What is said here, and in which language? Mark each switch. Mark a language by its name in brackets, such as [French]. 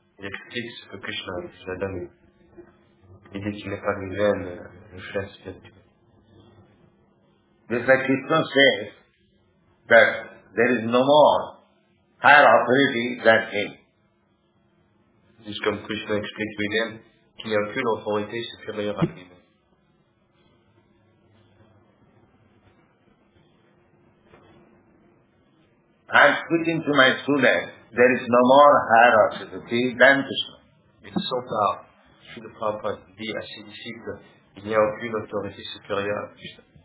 [French] Il explique ce que Krishna lui a donné. Il dit qu'il n'est pas lui-même le chef spirituel. [English] Just like Krishna says that there is no more higher authority than him. [French] Juste comme Krishna explique lui-même qu'il n'y a aucune autorité supérieure à lui-même. [English] I am speaking to my students, there is no more higher authority than Krishna. [French] Il sort [English] out. [French] Si le Prabhupada dit à ses disciples, il n'y a aucune autorité supérieure à Krishna.